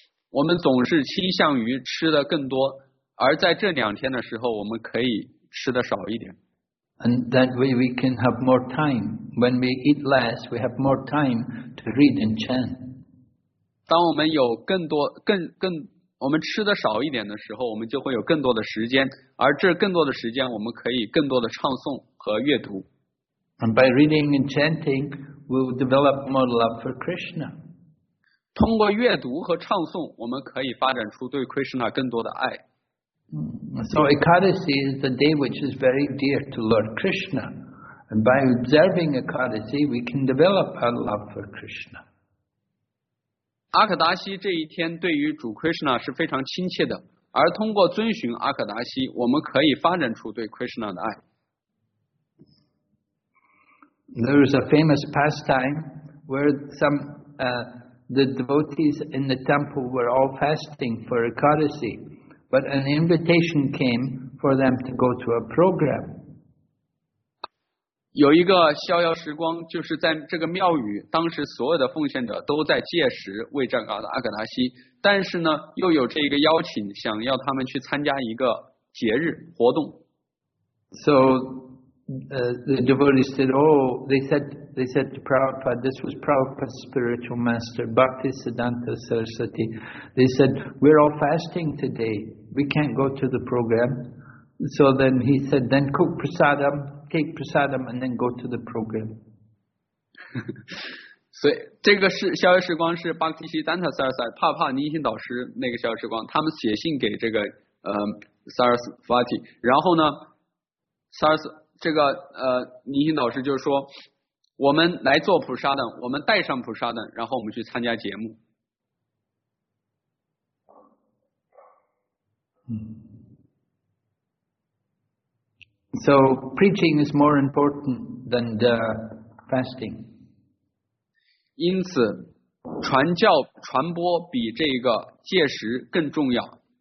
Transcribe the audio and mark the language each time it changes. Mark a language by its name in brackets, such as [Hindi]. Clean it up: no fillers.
[Chinese] 我们总是倾向于吃的更多。而在这两天的时候，我们可以吃的少一点。 [English] And that way we can have more time. When we eat less, we have more time to read and chant. [Chinese] 当我们有更多、更我们吃的少一点的时候，我们就会有更多的时间。而这更多的时间，我们可以更多的唱诵和阅读。 [English] And by reading and chanting, we will develop more love for Krishna. [Chinese] 通过阅读和唱诵，我们可以发展出对 Krishna 更多的爱。 [English] So Ekadasi is the day which is very dear to Lord Krishna, and by observing Ekadasi, we can develop our love for Krishna. [Chinese] 阿克达西这一天对于主 Krishna 是非常亲切的，而通过遵循阿克达西，我们可以发展出对 Krishna 的爱。 [English] There is a famous pastime where some the devotees in the temple were all fasting for Ekadasi. But an invitation came for them to go to a program. [Chinese] 有一个逍遥时光，就是在这个庙宇，当时所有的奉献者都在戒食为这个阿格达西，但是呢，又有这一个邀请，想要他们去参加一个节日活动。 [English] So, the devotees said, they said to Prabhupada, this was Prabhupada's spiritual master, Bhaktisiddhanta Saraswati. They said, we're all fasting today. We can't go to the program. So then he said, then cook prasadam, take prasadam, and then go to the program. [Chinese] 所以这个是逍遥时光，是 Bhaktisiddhanta Saraswati, 帕帕尼辛导师那个逍遥时光，他们写信给这个Saraswati, 然后呢 这个尼辛导师就说，我们来做普沙的，我们带上普沙的，然后我们去参加节目。 [English] So preaching is more important than the fasting. [Chinese] 因此，传教传播比这个戒食更重要。